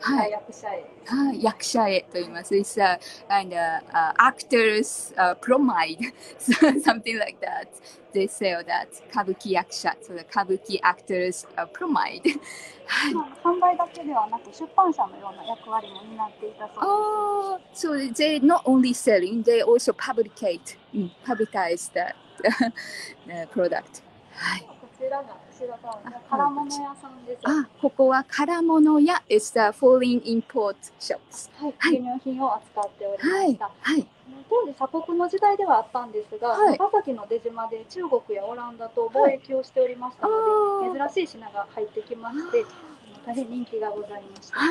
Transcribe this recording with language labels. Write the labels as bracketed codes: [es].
[ja] 役者へ。役者へと言います。 [en] It's a kind of actor's bromide, something like that. They sell that 歌舞伎役者、so the 歌舞伎 actor's bromide. [ja] 販売だけではなく出版社のような役割も担っていたそうです。 [en] Oh, so they not only selling, they also publicate, publicize that product. [ja] こちらが。こちらが唐物屋さんです。あ、ここは [en] 唐物屋 is the foreign import shops。 [ja] はい、輸入品を扱っておりました。はい。はい、当時鎖国の時代ではあったんですが、はい、長崎の出島で中国やオランダと貿易をしておりましたので、はい、珍しい品が入ってきまして、大変人気がございました。